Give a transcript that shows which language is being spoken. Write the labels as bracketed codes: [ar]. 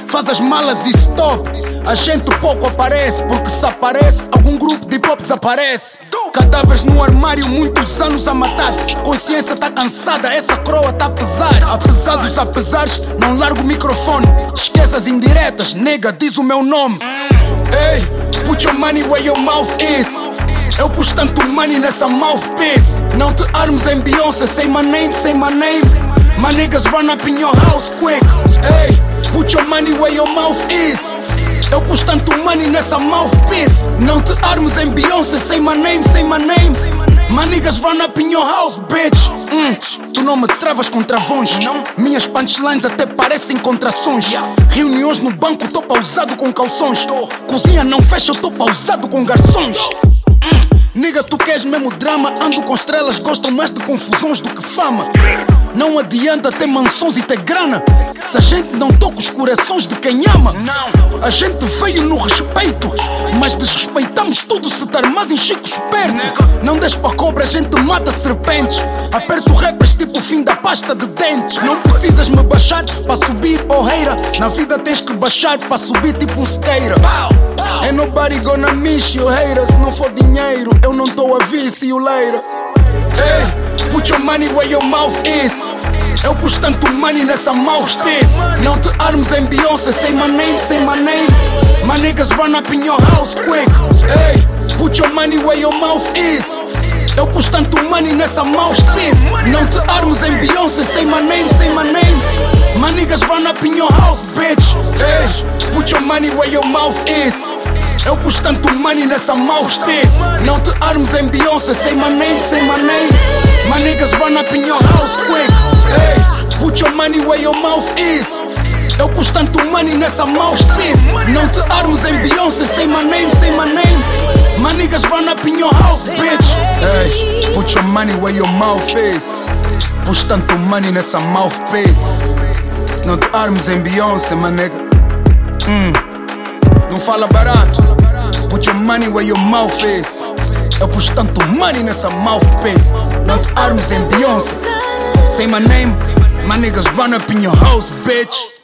[pt] Faz as malas e stop. A gente pouco aparece, porque se aparece, algum grupo de pop desaparece. Cadáveres no armário, muitos anos a matar. Consciência tá cansada, essa croa tá pesada. Apesar dos apesares, não largo o microfone. Esqueça as indiretas, nega, diz o meu nome. [en] Ei, hey, put your money where your mouth is. [pt] Eu pus tanto money nessa mouthpiece. Não te armes em Beyoncé, [en] say my name, say my name. My niggas run up in your house quick. Ei, hey, put your money where your mouth is. [pt] Eu pus tanto money nessa mouthpiece. Não te armes em Beyoncé, [en] say my name, say my name. My niggas run up in your house, bitch. [pt] Tu não me travas com travões, não. Minhas punchlines até parecem contrações. Reuniões no banco, tô pausado com calções. Cozinha não fecha, eu tô pausado com garçons. Nigga, tu queres mesmo drama? Ando com estrelas, gostam mais de confusões do que fama. Não adianta ter mansões e ter grana, se a gente não toca os corações de quem ama. A gente veio no respeito, mas desrespeitamos tudo se estar mais em chicos perto. Não deixa pra cobra, a gente mata serpentes. Aperto rappers tipo o fim da pasta de dentes. Não precisas me baixar pra subir, oh heira. Na vida tens que baixar pra subir tipo um skater. [en] Ain't nobody gonna miss you, haters. [pt] Se não for dinheiro, eu não dou a vir, [en] see you later. Hey, put your money where your mouth is. [pt] Eu pus tanto money nessa mouthpiece. Não te armes em Beyoncé, [en] say my name, say my name. My niggas run up in your house quick. Hey, put your money where your mouth is. [pt] Eu pus tanto money nessa mouthpiece. Não te armes em Beyoncé, [en] say my name, say my name. My niggas run up in your house, bitch. Hey, put your money where your mouth is. [pt] Eu pus tanto money nessa mouthpiece. Não te armes em Beyoncé, [en] say my name, say my name. My niggas run up in your house quick. Hey, put your money where your mouth is. [pt] Eu pus tanto money nessa mouthpiece. Não te armes em Beyoncé, [en] say my name, say my name. My niggas run up in your house, bitch. Hey, put your money where your mouth is. [pt] Pus tanto money nessa mouthpiece. Não te armes em Beyoncé, [en] my nigga. [pt] Não fala barato. [en] Put your money where your mouth is. [pt] Eu pus tanto money nessa mouthpiece. [en] Not arms and Beyoncé. Say my name. My niggas run up in your house, bitch.